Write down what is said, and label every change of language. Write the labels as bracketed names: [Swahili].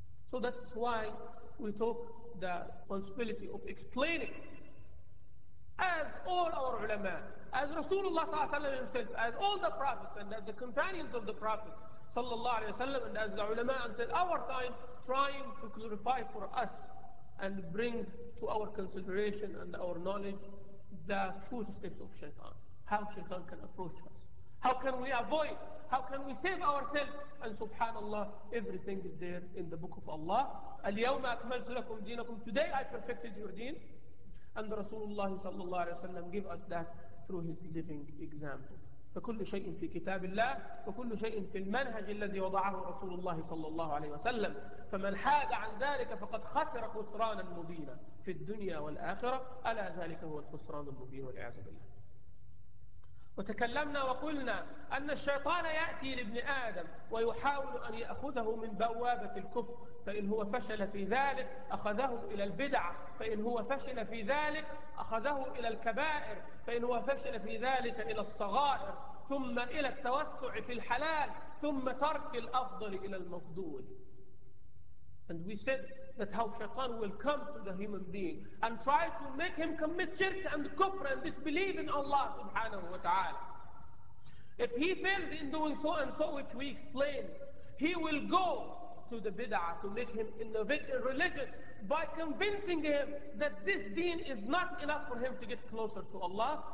[English] So that's why we took the responsibility of explaining, as all our ulama, as Rasulullah sallallahu alayhi wa sallam himself, as all the prophets and as the companions of the prophet sallallahu alayhi wa sallam, and as the ulama until our time, trying to clarify for us and bring to our consideration and our knowledge the footsteps of shaitan, how shaitan can approach us, how can we avoid, how can we save ourselves. And subhanallah, everything is there in the book of Allah. [Arabic] Al-yawma akmaltu lakum dinakum, [English] today I perfected your deen. And Rasulullah sallallahu alayhi wa sallam give us that through his living example. [Arabic] فكل شيء في كتاب الله وكل شيء في المنهج الذي وضعه رسول الله صلى الله عليه وسلم فمن حاد عن ذلك فقد خسر خسرانا مبينا في الدنيا والآخرة ألا ذلك هو الخسران المبين والعياذ بالله. وتكلمنا وقلنا أن الشيطان يأتي لابن آدم ويحاول أن يأخذه من بوابة الكفر، فإن هو فشل في ذلك أخذه إلى البدعة، فإن هو فشل في ذلك أخذه إلى الكبائر، فإن هو فشل في ذلك إلى الصغائر، ثم إلى التوسع في الحلال، ثم ترك الأفضل إلى المفضول. [English] And we said that how Shaitan will come to the human being and try to make him commit shirk and kufr and disbelieve in Allah subhanahu wa ta'ala. If he failed in doing so and so, which we explained, he will go to the bid'ah to make him innovate in religion by convincing him that this deen is not enough for him to get closer to Allah.